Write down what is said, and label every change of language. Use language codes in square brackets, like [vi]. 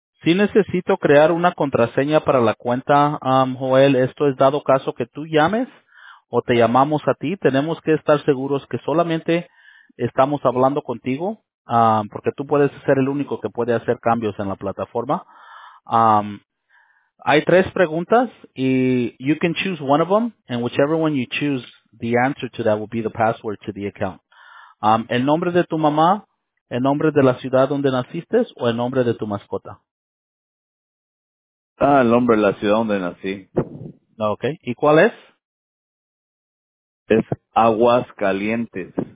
[es] Si necesito crear una contraseña para la cuenta, Joel, esto es dado caso que tú llames o te llamamos a ti. Tenemos que estar seguros que solamente estamos hablando contigo, porque tú puedes ser el único que puede hacer cambios en la plataforma. Hay tres preguntas y [en] you can choose one of them, and whichever one you choose, the answer to that will be the password to the account. [es] El nombre de tu mamá, el nombre de la ciudad donde naciste o el nombre de tu mascota. Ah, el nombre de la ciudad donde nací. Okay. ¿Y cuál es? Es Aguascalientes.